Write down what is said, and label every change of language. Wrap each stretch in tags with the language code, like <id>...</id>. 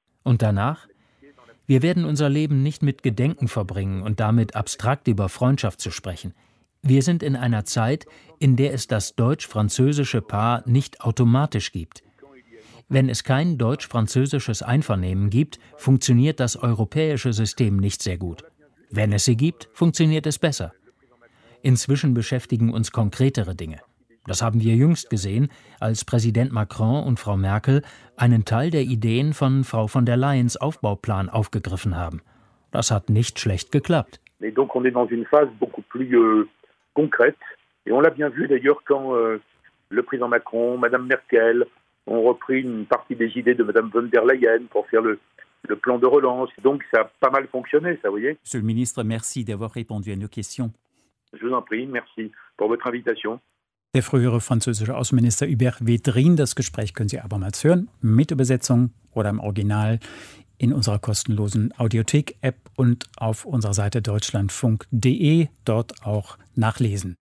<de>Und danach? Wir werden unser Leben nicht mit Gedenken verbringen und damit abstrakt über Freundschaft zu sprechen. Wir sind in einer Zeit, in der es das deutsch-französische Paar nicht automatisch gibt. Wenn es kein deutsch-französisches Einvernehmen gibt, funktioniert das europäische System nicht sehr gut. Wenn es sie gibt, funktioniert es besser. Inzwischen beschäftigen uns konkretere Dinge. Das haben wir jüngst gesehen, als Präsident Macron und Frau Merkel einen Teil der Ideen von Frau von der Leyen's Aufbauplan aufgegriffen haben. Das hat nicht schlecht geklappt.</de> <fr>Mais donc on est dans une phase beaucoup plus concrète et on l'a bien vu d'ailleurs quand le président Macron, madame Merkel ont repris une partie des idées de madame von der Leyen pour faire le plan de relance. Donc ça a pas mal fonctionné, ça, voyez. Monsieur le ministre, merci d'avoir répondu à nos questions. Je vous en prie, merci pour votre invitation.</fr> <de>Der frühere französische Außenminister Hubert Védrine, das Gespräch können Sie abermals hören, mit Übersetzung oder im Original in unserer kostenlosen Audiothek-App und auf unserer Seite deutschlandfunk.de, dort auch nachlesen.</de>